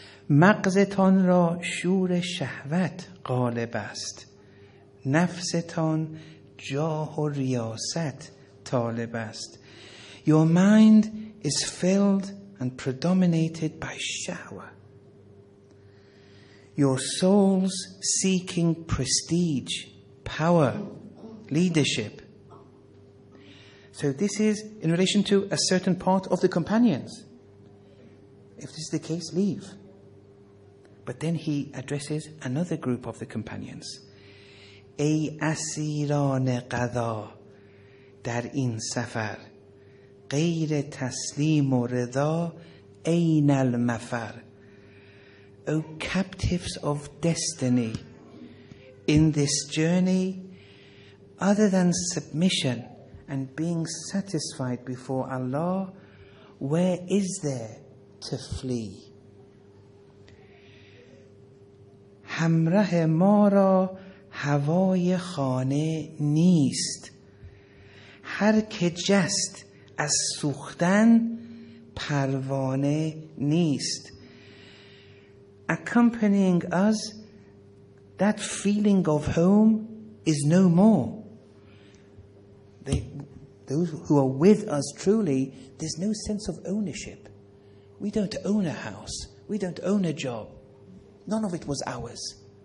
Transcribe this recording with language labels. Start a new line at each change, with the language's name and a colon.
Persian: مغزتان را شور شهوت غالب است، نفستان جاه و ریاست طالب است.
English: Your mind is filled and predominated by shahwa. Your souls seeking prestige, power, leadership. So this is in relation to a certain part of the companions. If this is the case, leave. But then he addresses another group of the companions.
Persian: Ey asiran qada dar in safar, ghayr taslim o ridha ayn al mafar.
English: O captives of destiny, in this journey, other than submission and being satisfied before Allah, where is there to flee?
Persian: همراه ما را هوای خانه نیست، هر که جست از سوختن پروانه نیست.
English: Accompanying us, that feeling of home is no more. Those who are with us truly, there's no sense of ownership. We don't own a house. We don't own a job. None of it was ours.